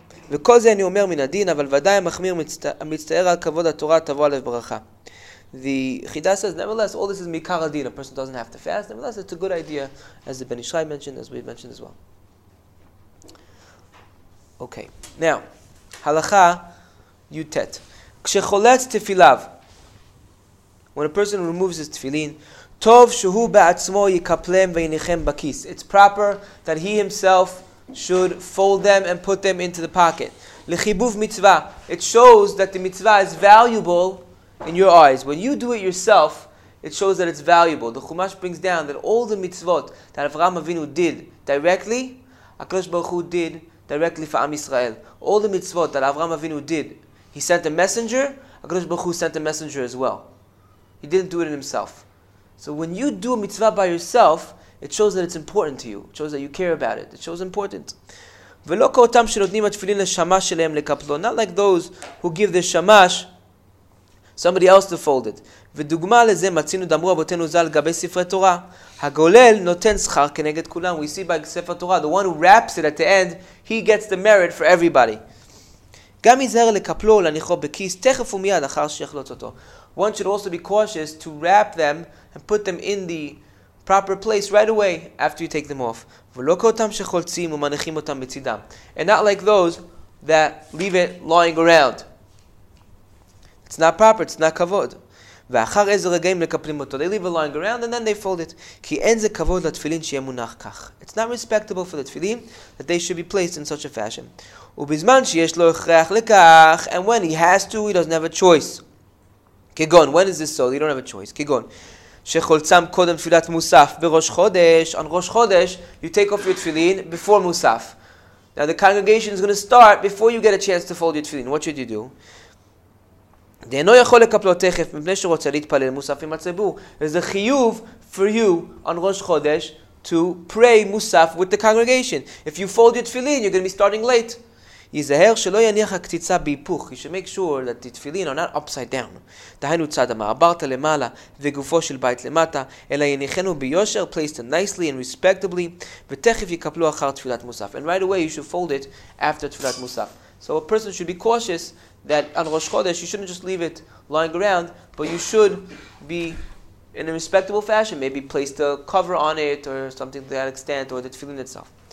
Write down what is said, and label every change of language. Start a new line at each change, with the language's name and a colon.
Hebrew: וכל זה אני אומר מן הדין, אבל ודאי המחמיר מצטער על כבוד התורה תבוא עליו ברכה.
English: The Chida says, nevertheless, all this is
Hebrew: mikar adin.
English: A person doesn't have to fast. Nevertheless, it's a good idea, as the Ben Ishray mentioned, as we've mentioned as well. Okay. Now, halacha yutet.
Hebrew: Kshecholet tefilav.
English: When a person removes his tefillin,
Hebrew: tov shehu ba'atzmo yikaplem ve'yinichem bakis.
English: It's proper that he himself should fold them and put them into the pocket.
Hebrew: L'chibuv mitzvah.
English: It shows that the mitzvah is valuable in your eyes. When you do it yourself, it shows that it's valuable. The Chumash brings down that all the mitzvot that Avraham Avinu did directly, HaKadosh Baruch Hu did directly for Am Yisrael. All the mitzvot that Avraham Avinu did, he sent a messenger, HaKadosh Baruch Hu sent a messenger as well. He didn't do it in himself. So when you do a mitzvah by yourself, it shows that it's important to you. It shows that you care about it. It shows important.
Hebrew: ולא כאותם שנותנים התפילין לשמש שלהם לקפלו.
English: Not like those who give the shamash somebody else to fold it.
Hebrew: ודוגמה לזה מצינו דמרו אבותינו זל גבי ספרי תורה. הגולל נותן שכר כנגד כולם.
English: We see by ספר תורה, the one who wraps it at the end, he gets the merit for everybody.
Hebrew: גם יזהר לקפלו לניחו בכיס, תכף ומיד אחר שיחלוץ אותו.
English: One should also be cautious to wrap them and put them in the proper place right away after you take them off.
Hebrew: ולא כאותם שחולצים ומניחים אותם בצדם.
English: And not like those that leave it lying around. It's not proper, it's not kavod.
Hebrew: ואחר איזה רגעים לקפלים אותו.
English: They leave it lying around and then they fold it.
Hebrew: כי אין זה כבוד לתפילין שיהיה מונח כך.
English: It's not respectable for the tefillin that they should be placed in such a fashion.
Hebrew: ובזמן שיש לו הכרח לכך,
English: and when he has to, he doesn't have a choice. כגון, when is this so? You don't have a choice.
Hebrew: כגון, שחולצם קודם תפילת מוסף בראש חודש,
English: on ראש חודש, you take off your tefillin before מוסף. Now the congregation is going to start before you get a chance to fold your tefillin. What should you do?
Hebrew: דאינו יכול לקפלו תכף מפני שרוצה להתפלל מוסף עם הציבור.
English: There's a חיוב for you on ראש חודש to pray מוסף with the congregation. If you fold your tefillin, you're going to be starting late.
Hebrew: יזהר שלא יניח הקציצה בהיפוך.
English: You should make sure that the tefillin are not upside down.
Hebrew: דהיינו צד המעברת למעלה וגופו של בית למטה, אלא יניחנו ביושר,
English: placed nicely and respectably,
Hebrew: ותכף יקפלו אחר תפילת מוסף.
English: And right away you should fold it after תפילת מוסף. So a person should be cautious that on Rosh Chodesh you shouldn't just leave it lying around, but you should be in a respectable fashion, maybe place the cover on it or something to that extent, or the tefillin itself.